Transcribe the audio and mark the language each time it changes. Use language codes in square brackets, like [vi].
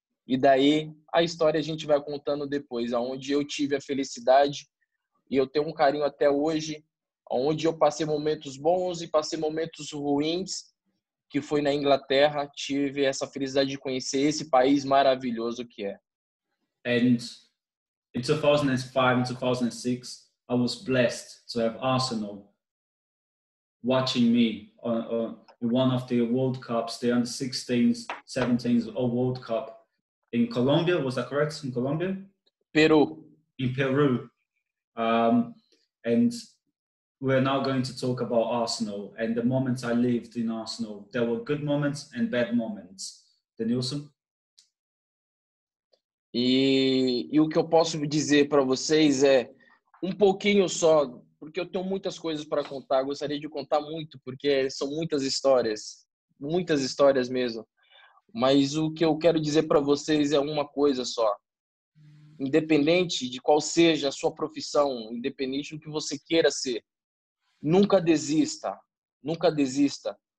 [pt] E daí a história a gente vai contando depois, aonde eu tive a felicidade e eu tenho um carinho até hoje, onde eu passei momentos bons e passei momentos ruins, que foi na Inglaterra, tive essa felicidade de conhecer esse país maravilhoso que é. [en] And in 2005 and 2006, I was blessed to have Arsenal watching me on one of the World Cups, the under 16s, 17s or World Cup in Colombia, was that correct? In Colombia? Peru. In Peru. And we're now going to talk about Arsenal and the moments I lived in Arsenal. There were good moments and bad moments. Denilson? [pt] E o que eu posso dizer para vocês é um pouquinho só, porque eu tenho muitas coisas para contar. Gostaria de contar muito, porque são muitas histórias mesmo. Mas o que eu quero dizer para vocês é uma coisa só. Independente de qual seja a sua profissão, independente do que você queira ser, nunca desista, nunca desista.